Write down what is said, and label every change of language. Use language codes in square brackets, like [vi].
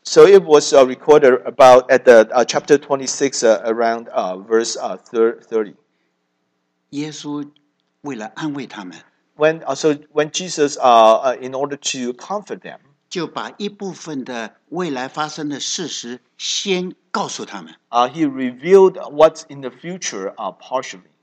[en] So it was recorded about at the chapter 26, around verse 30. [zh] 耶稣为了安慰他们。 [en] When Jesus in order to comfort them. [zh] 就把一部分的未来发生的事实先告诉他们。 [en] He revealed what's in the future partially.